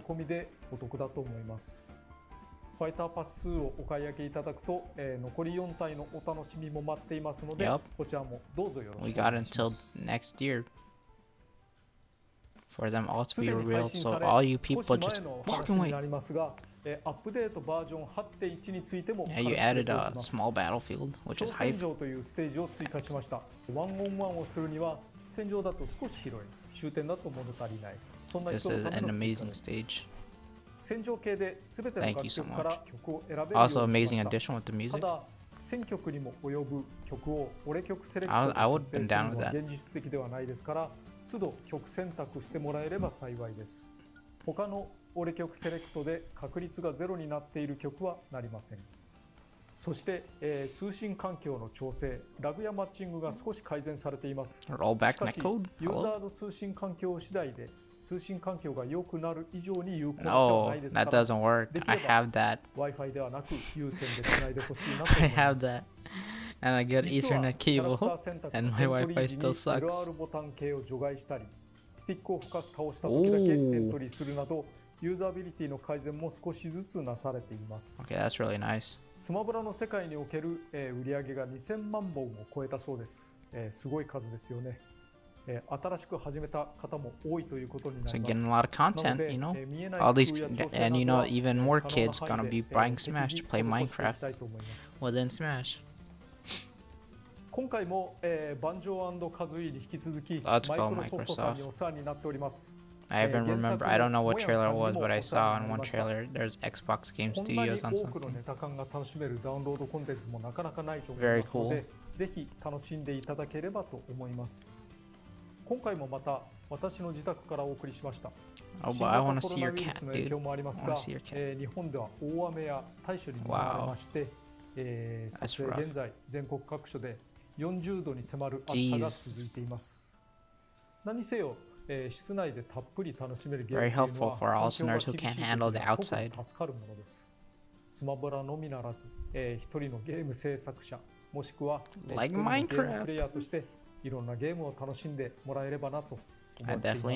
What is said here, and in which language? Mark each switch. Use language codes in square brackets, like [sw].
[ja] も込みでお得だと思います。ファイターパス2をお買い上げいただくと、残り4体のお楽しみも待っていますので、 [en] yep. [ja] こちらもどうぞよろしくお願いします。 [en] We got until next year for them all to be real. So all you people just fucking wait. [ja] アップデートバージョン 8.1 についても、 [en] yeah, you added a small battlefield, which is hype. [ja] 挑戦場というステージを追加しました。ワンオンワンをするには戦場だと少し広い、終点だと物足りない。そんな人のための追加です。戦場系で全ての楽曲から曲を選べるようにしました。 [en] Also, amazing addition with the music. [ja] ただ、選曲にも及ぶ曲を俺曲セレクトで選べるのは現実的ではないですから、都度曲選択してもらえれば幸いです。他の俺曲セレクトで確率がゼロになっている曲はなりません。そして、通信環境の調整、ラグやマッチングが少し改善されています。 [en] Rollback [ja] しかし、ユーザーの通信環境次第で、通信環境が良くなる以上に有効ではないですから。 [en] No, that doesn't work. [ja] できれば、 [en] I have that. [ja] Wi-Fi ではなく、有線でつないでほしいなと思います。 [en] I have that. And I get Ethernet cable, and my Wi-Fi still sucks. [ja] LR ボタン系を除外したり、スティックを深く倒した時だけエントリーするなど、ユーザビリティの改善も少しずつなされています。 [en] Okay, that's really nice. [ja] スマブラの世界における、売り上げが2000万本を超えたそうです。すごい数ですよね。新しく始めた方も多いということになります。 [en] So getting a lot of content, you know. All these, and you know, even more kids gonna be buying Smash to play Minecraft within Smash. [ja] 今回も、バンジョー&カズイに引き続き、マイクロソフトさんにお世話になっております。 [en] I even remember, I don't know what trailer it was, but I saw on one trailer there's Xbox Game Studios on something. Very cool. [ja] ぜひ楽しんでいただければと思います。今回もまた私の自宅からお送りしました。 [en] Oh, but I want to see your cat, dude. I want to see your cat. [ja] 日本では大雨や大暑に見舞われまして、撮影現在全国各所で40度に迫る暑さが続いています。何せよ、室内でたっぷり楽しめるゲームは、 [en] Very helpful for all listeners who can't handle the outside. [ja] 助かるものです。スマブラのみならず、一人のゲーム制作者、もしくは、 [en] Like Minecraft. [ja] プレイヤーとして、いろんなゲームを楽しんでもらえればなと思っています。